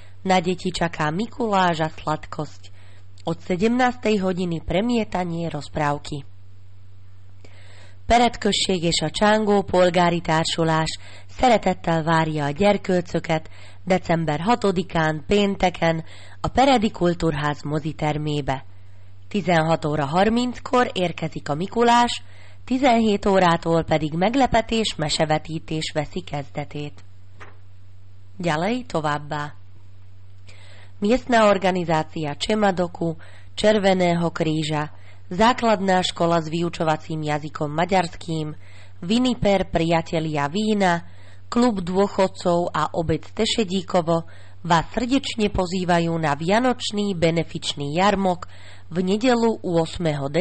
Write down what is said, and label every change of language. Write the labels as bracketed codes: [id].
[sk] Na deti čaká Mikuláša sladkosť. Od 17. hodiny premietanie rozprávky. [hu] Pered községes a Csángó polgári társulás szeretettel várja a gyerkőcöket december 6-án pénteken a Peredi Kultúrház mozitermébe. 16 óra 30-kor érkezik a Mikulás, 17 órától pedig meglepetés mesevetítés veszi kezdetét. Gyalej továbbá. [sk] Miestna organizácia Csemadoku, Červeného kríža, Základná škola s vyučovacím jazykom maďarským, Viniper priatelia vína, Klub dôchodcov a obec Tešedíkovo vás srdečne pozývajú na vianočný benefičný jarmok v nedeľu 8.